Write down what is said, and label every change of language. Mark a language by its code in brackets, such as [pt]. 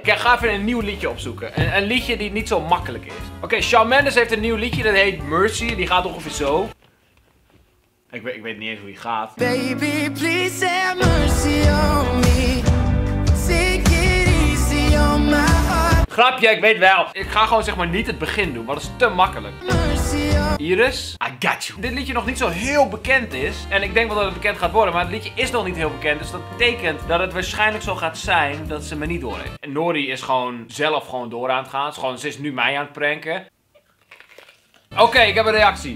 [nl] Kijk, ga even een nieuw liedje opzoeken. Een liedje die niet zo makkelijk is. Oké, Shawn Mendes heeft een nieuw liedje dat heet Mercy. Die gaat ongeveer zo. Ik weet niet eens hoe die gaat. [en] Baby, please have mercy on me. Take it easy on my heart. [nl] Grapje, ik weet wel. Ik ga gewoon zeg maar niet het begin doen, want dat is te makkelijk. Iris, [en] I got you. [nl] Dit liedje nog niet zo heel bekend is. En ik denk wel dat het bekend gaat worden. Maar het liedje is nog niet heel bekend. Dus dat betekent dat het waarschijnlijk zo gaat zijn dat ze me niet doorheeft. En Nori is gewoon zelf gewoon door aan het gaan. Ze is nu mij aan het pranken. Oké, ik heb een reactie.